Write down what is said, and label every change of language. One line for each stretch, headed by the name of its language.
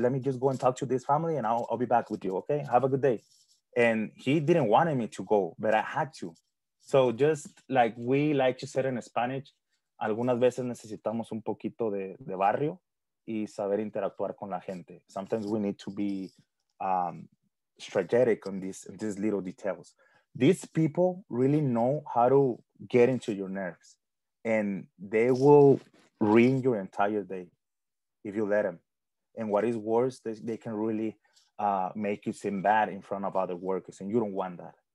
English: Let me just go and talk to this family and I'll be back with you, okay? Have a good day. And he didn't want me to go, but I had to. So just like we like to say in Spanish,
Spanish: algunas veces necesitamos un poquito de barrio y saber interactuar con la gente.
English: Sometimes we need to be strategic on these little details. These people really know how to get into your nerves, and they will ruin your entire day if you let them. And what is worse, they can really make you seem bad in front of other workers, and you don't want that.